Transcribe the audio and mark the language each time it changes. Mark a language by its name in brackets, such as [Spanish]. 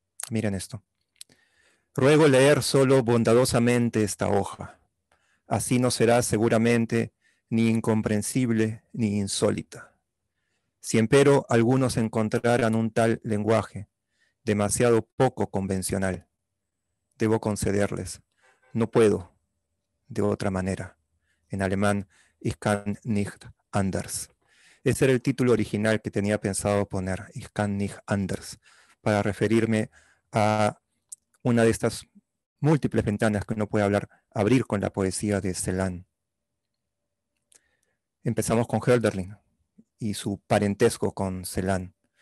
[Spanish] Miren esto. Ruego leer solo bondadosamente esta hoja. Así no será seguramente ni incomprensible, ni insólita. Si empero algunos encontraran un tal lenguaje demasiado poco convencional, debo concederles, no puedo, de otra manera. En alemán, [German] ich kann nicht anders. [Spanish] Ese era el título original que tenía pensado poner, [German] ich kann nicht anders, [Spanish] para referirme a una de estas múltiples ventanas que uno puede hablar, abrir con la poesía de Celan. Empezamos con Hölderlin y su parentesco con Celan.